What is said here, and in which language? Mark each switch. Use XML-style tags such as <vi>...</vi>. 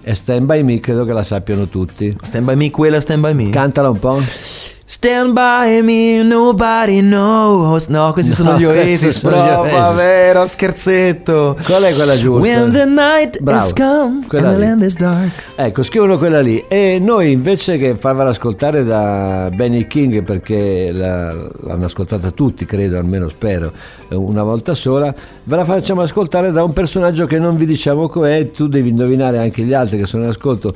<it>E Stand By Me credo che la sappiano tutti. Stand By Me, quella Stand By Me, cantala un po'.</it> <en>Stand by me, nobody knows.</en> <it>No, questi sono gli Oasis, prova, vero, scherzetto. Qual è quella giusta?</it> <en>When the night has come,</en> <it>quella</it> <en>and lì. The land is dark.</en> <it>Ecco, scrivono quella lì. E noi invece che farvela ascoltare da Benny King, perché l'hanno ascoltata tutti, credo, almeno spero, una volta sola, ve la facciamo ascoltare da un personaggio che non vi diciamo com'è. Tu devi indovinare anche gli altri che sono in ascolto.</it>